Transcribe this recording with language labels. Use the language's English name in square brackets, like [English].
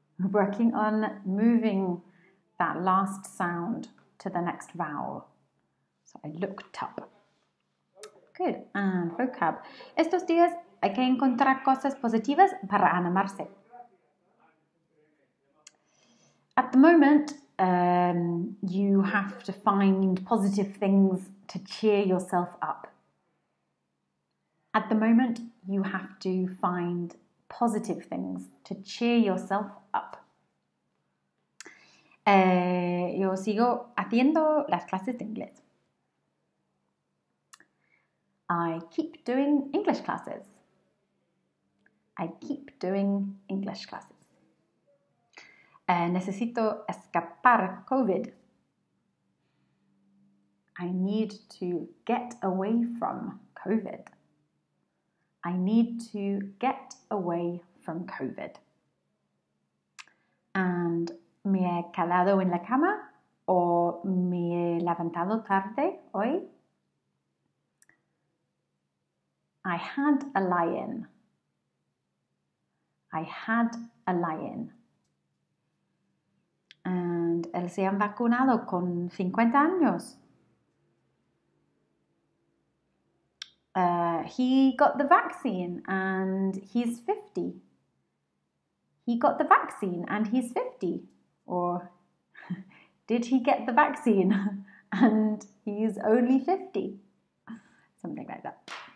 [English] Working on moving that last sound to the next vowel. So I looked up. Good. And vocab. [Spanish] Estos días hay que encontrar cosas positivas para animarse. [English] At the moment, you have to find positive things to cheer yourself up. At the moment, you have to find positive things to cheer yourself up. [Spanish] Yo sigo haciendo las clases de inglés. [English] I keep doing English classes. I keep doing English classes. [Spanish] Necesito escapar COVID. [English] I need to get away from COVID. I need to get away from COVID. [Spanish] And me he quedado en la cama o me he levantado tarde hoy. [English] I had a lie-in. I had a lie-in. [Spanish] And él se han vacunado con 50 años. [English] He got the vaccine and he's 50. He got the vaccine and he's 50. Or did he get the vaccine and he's only 50? Something like that.